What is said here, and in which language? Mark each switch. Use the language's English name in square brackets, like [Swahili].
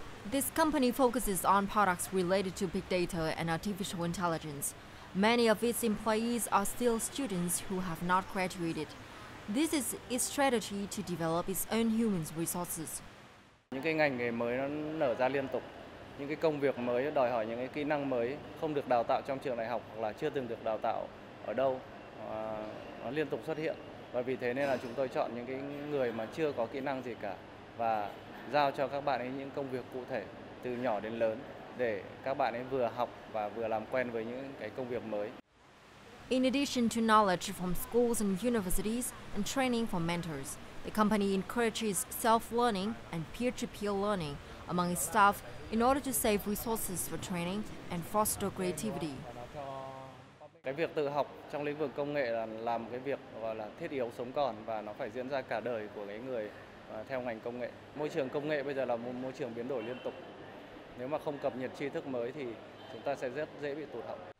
[English] This company focuses on products related to big data and artificial intelligence. Many of its employees are still students who have not graduated. This is its strategy to develop its own human resources. [Vietnamese] Những cái ngành nghề mới nó nở ra liên tục. Những cái công việc mới đòi hỏi những cái kỹ năng mới không được đào tạo trong trường đại học hoặc là chưa từng được đào tạo ở đâu. Nó liên tục xuất hiện. Và vì thế nên là chúng tôi chọn những cái người mà chưa có kỹ năng gì cả và giao cho các bạn ấy những công việc cụ thể từ nhỏ đến lớn để các bạn ấy vừa học và vừa làm quen với những cái công việc mới. [English] In addition to knowledge from schools and universities and training from mentors, the company encourages self-learning and peer-to-peer learning among its staff in order to save resources for training and foster creativity. [Vietnamese] Cái việc tự học trong lĩnh vực công nghệ là một cái việc gọi là thiết yếu sống còn và nó phải diễn ra cả đời của cái người theo ngành công nghệ. Môi trường công nghệ bây giờ là một môi trường biến đổi liên tục. Nếu mà không cập nhật tri thức mới thì chúng ta sẽ rất dễ bị tụt hậu.